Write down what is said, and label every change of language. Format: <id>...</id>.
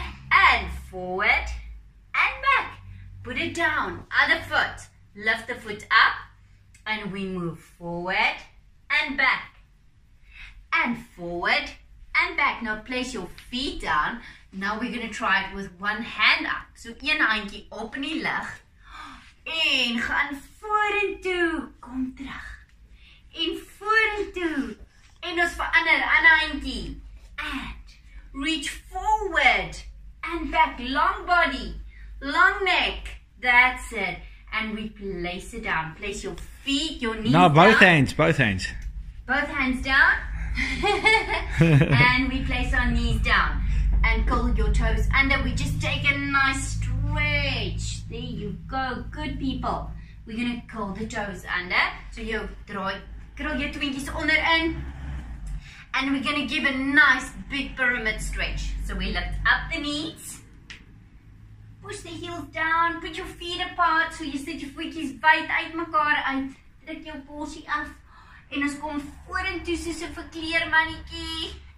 <en>And forward and back. Put it down, other foot. Lift the foot up and we move forward and back. And forward and back. Now place your feet down. Now we're gonna try it with one hand up.</en> <af>So een handjie op in die lug. En gaan vorentoe, kom terug. En vorentoe. En ons verander, ander handjie.</af> <en>And reach forward and back. Long body, long neck. That's it. And we place it down. Place your feet, your knees down. No, both hands, both hands. Both hands down. And we place our knees down. And curl your toes under. We just take a nice stretch. There you go. Good people. We're going to curl the toes under. So you draw, curl your twinkies under in. And we're going to give a nice big pyramid stretch. So we lift up the knees. Push the heels down. Put your feet apart.</en> <af>So you sit your twinkies bite uit mekaar uit. Druk jou polsie af. En ons kom vorentoe soos 'n verkleermannetjie.</af>